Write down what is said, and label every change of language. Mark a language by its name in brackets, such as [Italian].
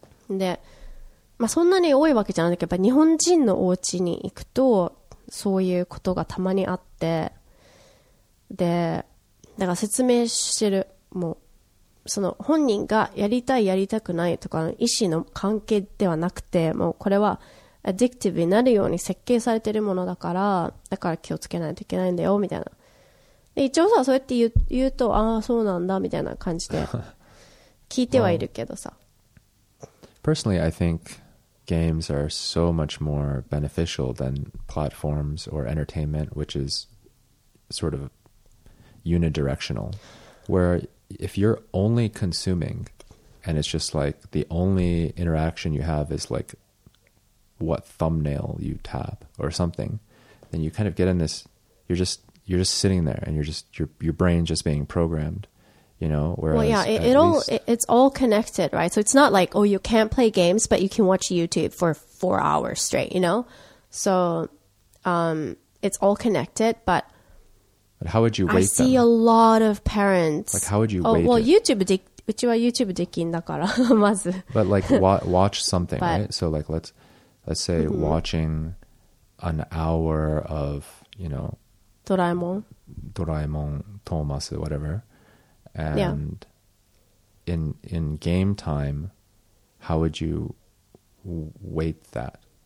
[Japanese] でまあ、そんなに多いわけじゃないけど、やっぱ日本人のお家に行くとそういうことがたまにあって、でだから説明してる、もうその本人がやりたいやりたくないとかの意思の関係ではなくて、もうこれはアディクティブになるように設計されてるものだから、だから気をつけないといけないんだよみたいな。で一応さそうやって言うと、ああそうなんだみたいな感じで聞いてはいるけどさ。 [English] Personally, I think games are so much more beneficial than platforms or entertainment, which is sort of unidirectional. Where if you're only consuming and it's just like the only interaction you have is like what thumbnail you tap or something, then you kind of get in this, you're just sitting there and your brain just being programmed. You know, whereas well, yeah, it's all connected, right? So it's not like, oh, you can't play games, but you can watch YouTube for 4 hours straight, you know? So it's all connected, but how would you wait them? I see a lot of parents. Like, how would you wait? [Japanese] Well, YouTube できんだから、まず。 [English] But like, watch something, right? So like, let's say watching an hour of, you know, Doraemon, Thomas, whatever. And in game time, how would you weight that?